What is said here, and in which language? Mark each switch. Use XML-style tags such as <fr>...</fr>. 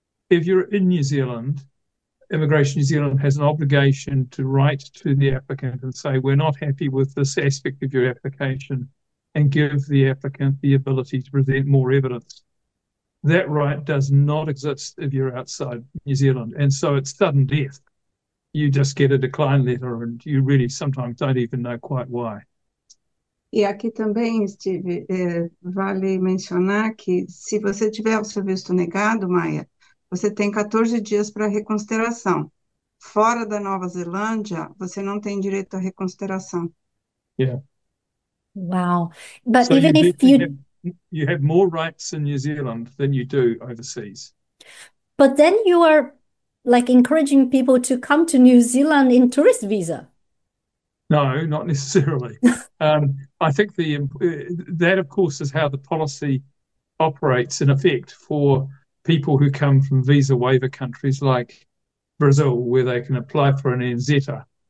<en>If you're in New Zealand, Immigration New Zealand has an obligation to write to the applicant and say, we're not happy with this aspect of your application, and give the applicant the ability to present more evidence. That right does not exist if you're outside New Zealand. And so it's sudden death. you just get a decline letter and you really sometimes don't even know quite why.</en> <pt>E aqui também, Steve, vale mencionar que se você tiver o seu visto negado, Maia, você tem 14 dias para reconsideração. Fora da Nova Zelândia, você não tem direito à reconsideração.</pt> <en>Yeah. Wow. But So even if you... you have more rights in New Zealand than you do overseas. But then you are like encouraging people to come to New Zealand in tourist visa. No, not necessarily. I think that, of course, is how the policy operates in effect for people who come from visa waiver countries like Brazil, where they can apply for an NZ.</en>